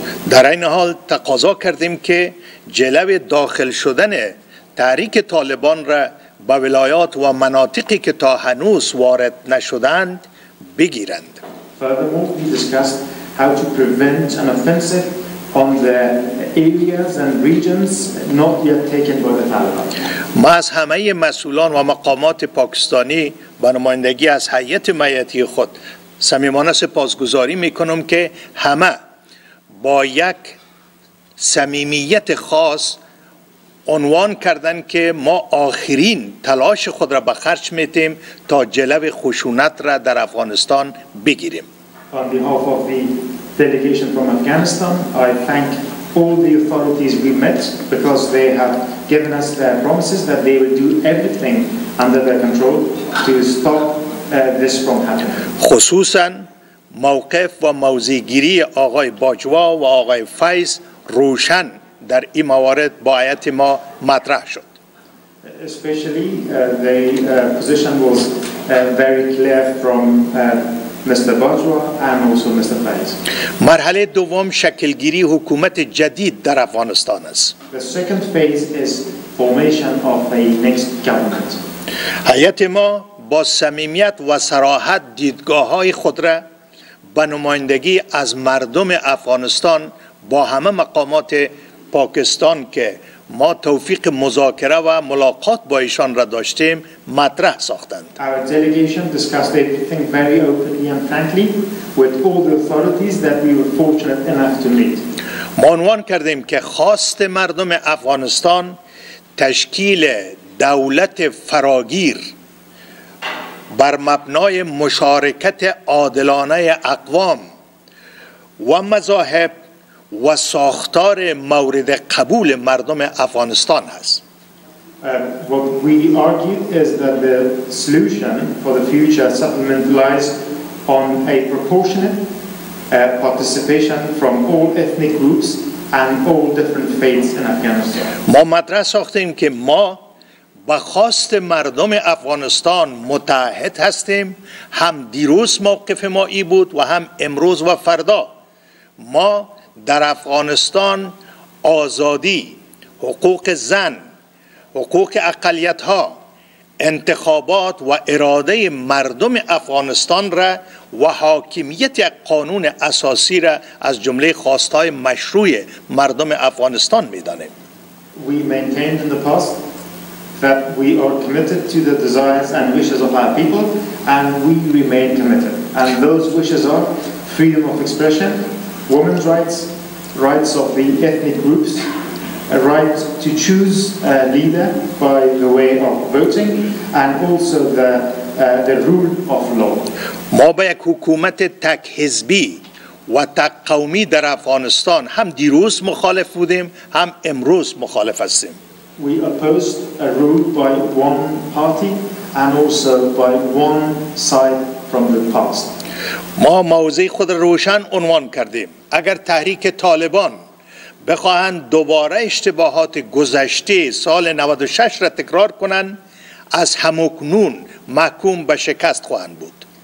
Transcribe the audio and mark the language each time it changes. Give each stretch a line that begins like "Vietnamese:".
Persian: در این حال تقاضا کردیم که جلو داخل شدن تحریک طالبان را به ولایات و مناطقی که تا هنوز وارد نشدند بگیرند.
English: Furthermore, we discussed how to prevent an offensive on the areas and regions not yet taken by the Taliban.
Persian: ما از همه مسئولان و مقامات پاکستانی به نمایندگی از هیئت معیتی خود صمیمانه سپاسگزاری میکنم که همه با یک صمیمیت خاص عنوان کردند که ما آخرین تلاش خود را به خرج میتیم تا جلو خشونت را در افغانستان بگیریم.
English: On behalf of the delegation from Afghanistan, I thank all the authorities we met, because they have given us their promises that they will do everything under their control to stop this from happening.
Persian: خصوصا موقف و موضع‌گیری آقای باجوا و آقای فیض روشن در این موارد با آیت ما مطرح شد.
English: Especially position was very clear from Mr. Bajwa and also Mr. Faiz.
Persian: مرحله دوم شکلگیری حکومت جدید در افغانستان است.
English: The second phase is formation of a next government.
Persian: هیئت ما با صمیمیت و صراحت دیدگاه‌های خود را به نمایندگی از مردم افغانستان با همه مقامات پاکستان که ما توفیق مذاکره و ملاقات با ایشان را داشتیم مطرح ساختند.
English: Our delegation discussed everything very openly and frankly with all the authorities that we were fortunate enough to meet.
Persian: ما عنوان کردیم که خواست مردم افغانستان تشکیل دولت فراگیر بر مبنای مشارکت عادلانه اقوام و مذاهب و ساختار مورد قبول مردم افغانستان است.
English: What we argued is that the solution for the future settlement lies on a proportionate participation from all ethnic groups and all different faiths in Afghanistan.
Persian: ما مطرح ساختیم که ما با خواست مردم افغانستان متحد هستیم. هم دیروز موقف ما ای بود و هم امروز و فردا. ما در افغانستان آزادی، حقوق زن، حقوق اقلیت‌ها، انتخابات و اراده مردم افغانستان را و حاکمیت قانون اساسی را از جمله خواست‌های مشروع مردم افغانستان می‌دانیم.
English: We maintained in the past that we are committed to the desires and wishes of our people and we remain committed. And those wishes are freedom of expression, women's rights, rights of the ethnic groups, a right to choose a leader by the way of voting, and also the rule of law.
Persian: ما با یک حکومت تک حزبی و تک قومی در افغانستان هم دیروز مخالف بودیم، هم امروز مخالف هستیم.
English: We opposed a rule by one party and also by one side from the past.
Persian: ما موضع خود را روشن عنوان کردیم. اگر تحریک طالبان بخواهند دوباره اشتباهات گذشته سال 96 را تکرار کنند، از همکنون محکوم به شکست خواهند بود.